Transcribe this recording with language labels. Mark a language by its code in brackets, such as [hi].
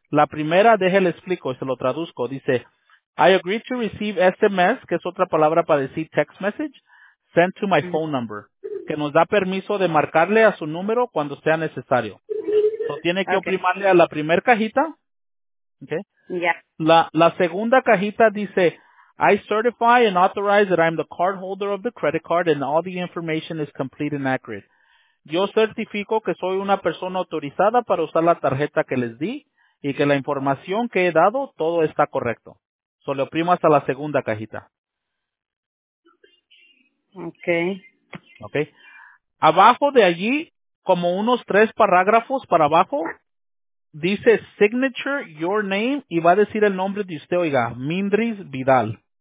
[es] La primera, déjale explico, se lo traduzco. Dice, [en] I agree to receive SMS, [es] que es otra palabra para decir [en] text message, sent to my phone number, [es] que nos da permiso de marcarle a su número cuando sea necesario. So, tiene que oprimarle a la primera cajita. Okay. Yeah. La segunda cajita dice, [en] I certify and authorize that I'm the cardholder of the credit card and all the information is complete and accurate. [es] Yo certifico que soy una persona autorizada para usar la tarjeta que les di y que la información que he dado, todo está correcto. So, le oprimo hasta la segunda cajita. Okay. Abajo de allí, como unos tres parágrafos para abajo, dice [en] signature, your name, [es] y va a decir el nombre de usted, oiga, Mindris Vidal.